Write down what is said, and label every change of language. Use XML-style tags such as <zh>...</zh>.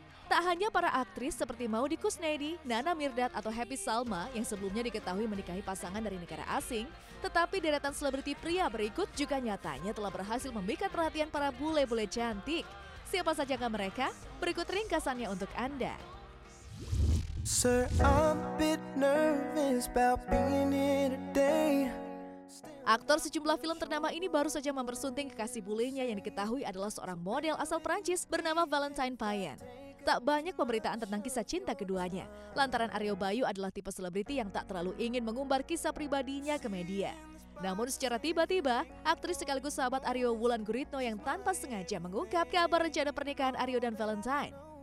<id>Tak hanya para aktris seperti Maudy Kusnedi, Nana Mirdad atau Happy Salma yang sebelumnya diketahui menikahi pasangan dari negara asing, tetapi deretan selebriti pria berikut juga nyatanya telah berhasil memikat perhatian para bule-bule cantik. Siapa sajakah mereka? Berikut ringkasannya untuk Anda.</id> <en>Sir, I'm a bit nervous about being here today.</en> <id>Aktor sejumlah film ternama ini baru saja mempersunting kekasih bulenya yang diketahui adalah seorang model asal Perancis bernama Valentine Payen. Tak banyak pemberitaan tentang kisah cinta keduanya, lantaran Aryo Bayu adalah tipe selebriti yang tak terlalu ingin mengumbar kisah pribadinya ke media. Namun secara tiba-tiba, aktris sekaligus sahabat Aryo Wulan Guritno yang tanpa sengaja mengungkap kabar rencana pernikahan Aryo dan Valentine.</id>